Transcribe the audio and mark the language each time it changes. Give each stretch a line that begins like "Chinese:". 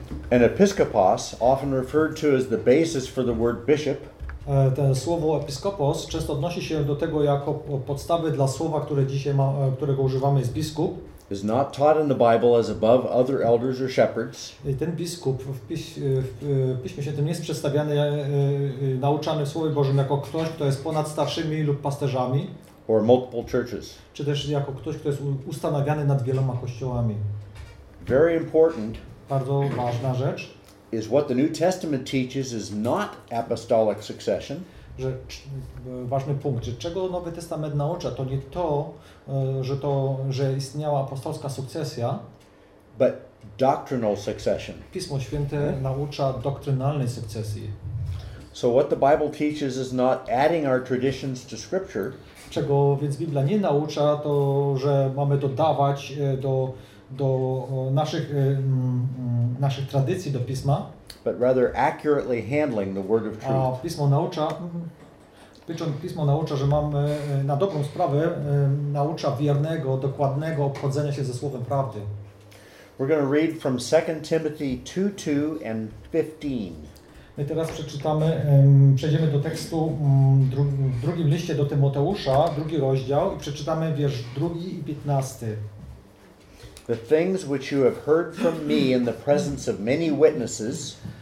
English: An episkopos, often referred to as the basis for the word bishop.
Polish: To słowo episkopos często odnosi się do tego jako podstawy dla słowa, które dzisiaj ma, którego używamy, jest biskup.
English: Is not taught in the Bible as above other elders or shepherds.
Polish: Ten biskup w Piśmie Świętym nie jest przedstawiany, nauczany w Słowie Bożym jako ktoś, kto jest ponad starszymi lub pasterzami.
English: Or multiple churches.
Polish: Czy też jako ktoś, kto jest ustanawiany nad wieloma kościołami.
English: Very important.
Polish: Bardzo ważna rzecz.
English: Is what the New Testament teaches is not apostolic succession.
Polish: Że ważny punkt, że czego Nowy Testament naucza, to nie to, że to, że istniała apostolska sukcesja,
English: but doctrinal succession.
Polish: Pismo Święte naucza doktrynalnej sukcesji.
English: So what the Bible teaches is not adding our traditions to scripture.
Polish: Czego więc Biblia nie naucza, to że mamy dodawać do naszych naszych tradycji do pisma.
English: But rather accurately handling the word of truth.
Polish: A pismo naucza, pismo naucza, że mamy na dobrą sprawę naucza wiernego, dokładnego obchodzenia się ze słowem prawdy.
English: We're going to read from 2 Timothy 2:2 and 15.
Polish: My teraz przeczytamy, przejdziemy do tekstu w drugim liście do Tymoteusza, drugi rozdział, i przeczytamy wiersz 2 i 15.
English: The things which you have heard from me in the presence of many witnesses.